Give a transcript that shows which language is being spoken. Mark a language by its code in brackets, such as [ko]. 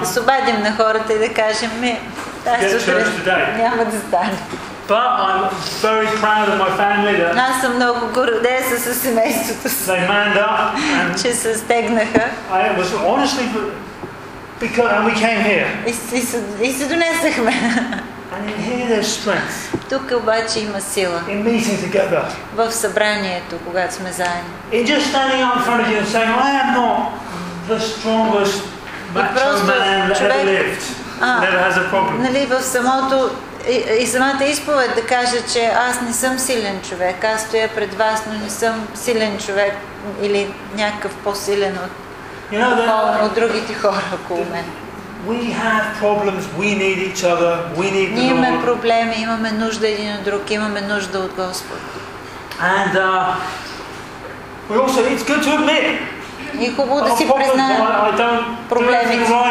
[bg] Да се обадим на хората и да кажем, ми, тази сутрин няма да стане. [en] But I'm very proud of my family. [bg] Аз съм много горден със семейството си. [en] They manned up. [bg] Че се стегнаха. [en] I was honestly, because and we came here. [bg] И се донесахме. [en] And in here there's strength. [bg] Тук обаче има сила. [en] In meeting together. [bg] В събранието, когато сме заедно. [en] In just standing out in front of you and saying, I am not the strongest macho man that ever lived. [bg] Нали, в самото и самата изповед да кажа, че аз не съм силен човек. Аз стоя пред вас, но не съм силен човек или някакъв по-силен от другите хора около мен. [en] We have problems, we need each other, we need the Lord. [bg] Ние имаме проблеми, имаме нужда един от друг, имаме нужда от Господ. [en] And we also, it's good to admit. [bg] И хубаво да си признаем проблемите.